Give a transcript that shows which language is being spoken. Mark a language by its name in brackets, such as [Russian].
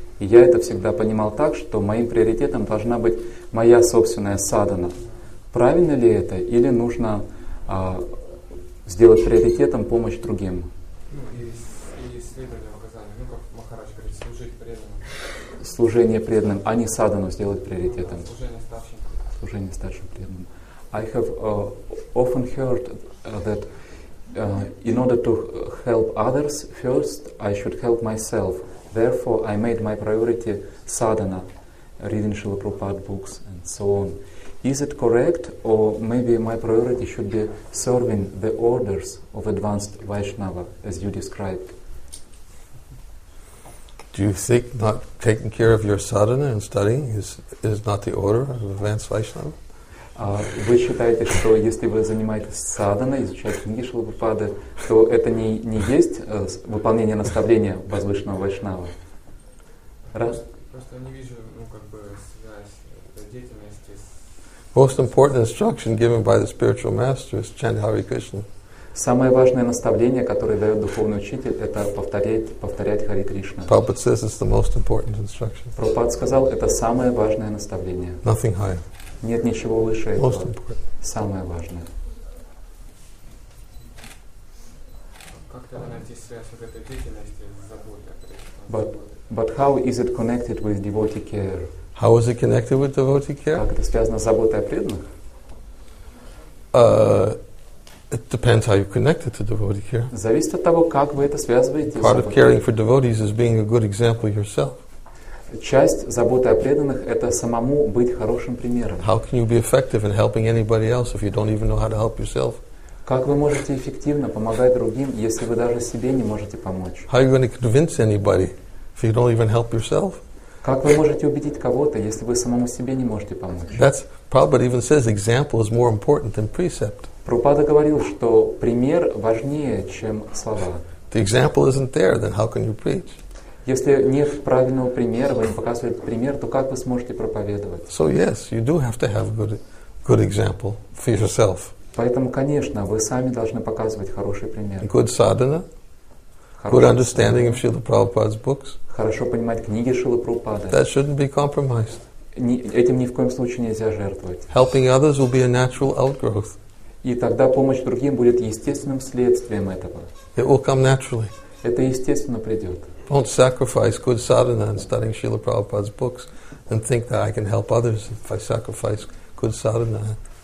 [Russian] И я это всегда понимал так, что моим приоритетом должна быть моя собственная садхана. Правильно ли это? Или нужно сделать приоритетом помощь другим? Ну, и следовать указаниям. Ну, как Махарадж говорит, служить преданным. Служение преданным, а не садхану сделать приоритетом. Ну, да, служение старшим. Служение старшим преданным. [English] I have often heard that in order to help others, first I should help myself. Therefore, I made my priority sadhana, reading Srila Prabhupada books and so on. Is it correct, or maybe my priority should be serving the orders of advanced Vaishnava, as you described? Do you think not taking care of your sadhana and studying is not the order of advanced Vaishnava? [Russian] Вы считаете, что если вы занимаетесь садханой, изучаете книги Шрилы Прабхупады, то это не есть выполнение наставления возвышенного вайшнава? Раз. Просто не вижу, ну, как бы, связь деятельности с... [English] Most important instruction given by the spiritual master is chant Hare Krishna. [Russian] Самое важное наставление, которое дает духовный учитель, это повторять Хари Кришна. [English] Prabhupada says it's the most important instruction. [Russian] Прабхупада сказал, это самое важное наставление. [English] Nothing higher. [Russian] Нет ничего выше этого. Самое важное. Как тогда найти связь вот этой деятельности с заботой? [English] But how is it connected with devotee care? How is it connected with devotee care? [Russian] Как это связано с заботой о преданных? [English] It depends how you connect it to devotee care. [Russian] Зависит от того, как вы это связываете. [English] Part of caring for devotees is being a good example yourself. [Russian] Часть заботы о преданных – это самому быть хорошим примером. [English] How can you be effective in helping anybody else if you don't even know how to help yourself? [Russian] Как вы можете эффективно помогать другим, если вы даже себе не можете помочь? [English] How are you going to convince anybody if you don't even help yourself? [Russian] Как вы можете убедить кого-то, если вы самому себе не можете помочь? [English] That's Prabhupada even says example is more important than precept. [Russian] Прабхупада говорил, что пример важнее, чем слова. [English] The example isn't there, then how can you preach? [Russian] Если нет правильного примера, вы не показываете пример, то как вы сможете проповедовать? [English] So yes, you do have to have good example for yourself. [Russian] Поэтому, конечно, вы сами должны показывать хороший пример. [English] Good sadhana, good understanding of Srila Prabhupada's books. [Russian] Хорошо понимать книги Шрилы Прабхупады. [English] That shouldn't be compromised. [Russian] Этим ни в коем случае нельзя жертвовать. [English] Helping others will be a natural outgrowth. [Russian] И тогда помощь другим будет естественным следствием этого. [English] It will come naturally. [Russian] Это естественно придет. [English] Don't sacrifice good sadhana and studying Srila Prabhupada's books and think that I can help others if I sacrifice good sadhana.